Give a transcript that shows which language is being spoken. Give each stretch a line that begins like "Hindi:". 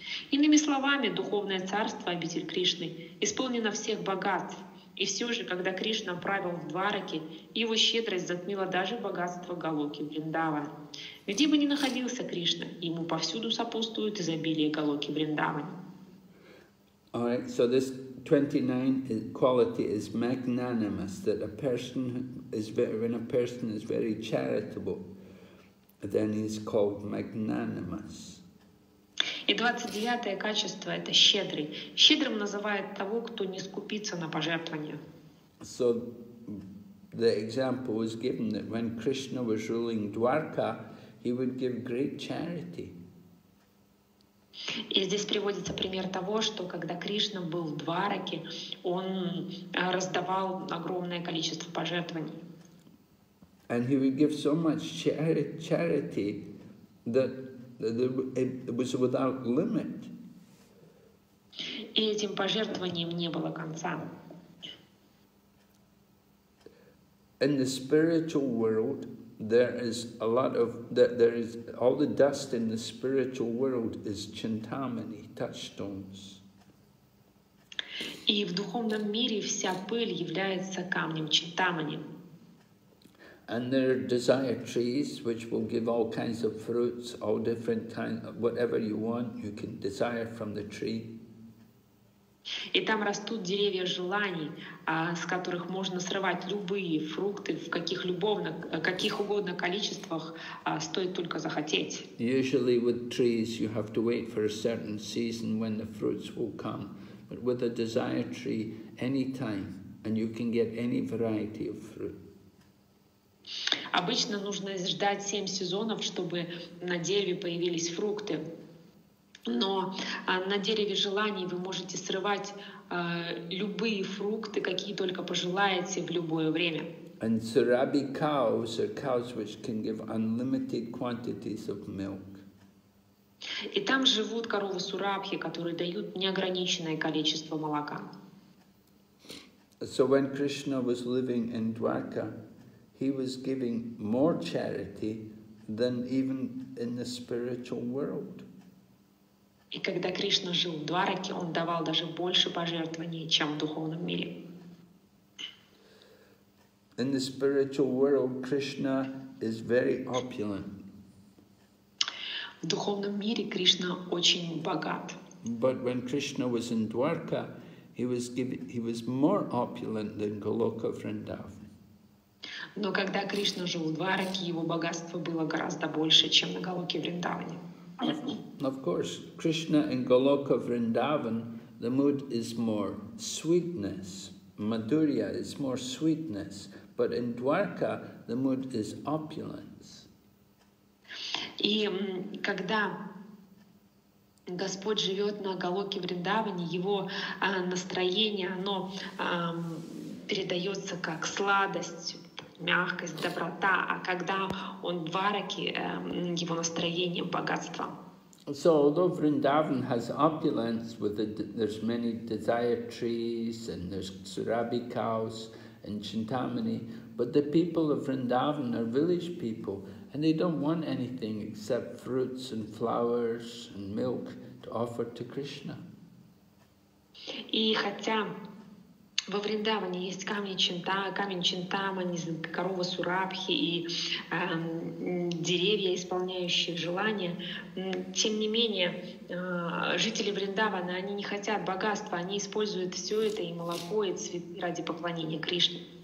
Russian: Иными словами, духовное царство, обитель Кришны, исполнено всех богатств. И все же, когда Кришна правил в Двараке, его щедрость затмила даже богатство Галоки Вриндавана. Где бы ни находился Кришна, ему повсюду сопутствует изобилие Галоки Вриндавана.
English: All right, so this 29 quality is magnanimous, that a person is very, when a person is very charitable, then he's called magnanimous.
Russian: И 29-е качество – это щедрый. Щедрым называют того, кто не скупится на пожертвования.
English: So the example was given that when Krishna was ruling Dwarka, he would give great charity.
Russian: И здесь приводится пример того, что когда Кришна был в Двараке, он раздавал огромное количество пожертвований.
English: And he would give so much charity that it was without limit.
Russian: И этим пожертвованием не было конца.
English: In the spiritual world, there is a lot of that. There is all the dust in the spiritual world is Chintamani touchstones.
Russian: И в духовном мире вся пыль является камнем Чинтамани.
English: And there are desire trees which will give all kinds of fruits, all different kind, whatever you want, you can desire from the tree.
Russian: И там растут деревья желаний, с которых можно срывать любые фрукты в каких угодно количествах, стоит только захотеть.
English: Usually with trees you have to wait for a certain season when the fruits will come, but with a desire tree any time and you can get any variety of fruit.
Russian: Обычно нужно ждать 7 сезонов, чтобы на дереве появились фрукты. Но на дереве желаний вы можете срывать любые фрукты, какие только пожелаете, в любое время.
English: And Surabhi cows are cows which can give unlimited quantities of milk.
Russian: И там живут коровы Сурабхи, которые дают неограниченное количество молока.
English: So when Krishna was living in Dwarka, he was giving more charity than even in the spiritual world.
Russian: И когда Кришна жил в Двараке, он давал даже больше пожертвований, чем в духовном мире.
English: In the spiritual world, Krishna is very opulent.
Russian: В духовном мире Кришна очень богат.
English: But when Krishna was in Dwarka, he was more opulent than Goloka Vrindavan.
Russian: Но когда Кришна жил в Двараке, его богатство было гораздо больше, чем на Голоке Вриндаване.
English: Of course, Krishna in Goloka Vrindavan, the mood is more sweetness, madhurya is more sweetness, but But in Dwarka the mood is opulence.
Russian: И когда Господь живет на Галоке Вриндаване, его настроение, оно передается как сладость, мягкость, доброта, а когда он в Двараке, его настроение богатство.
English: So although Vrindavan has opulence with the, there's many desire trees and there's Surabhi cows and Chintamani, but the people of Vrindavan are village people and they don't want anything except fruits and flowers and milk to offer to Krishna.
Russian: И хотя во Вриндаване есть камень Чинтамани, корова Сурабхи и деревья, исполняющие желания. Тем не менее, жители Вриндавана, они не хотят богатства, они используют все это, и молоко, и цветы ради поклонения Кришне.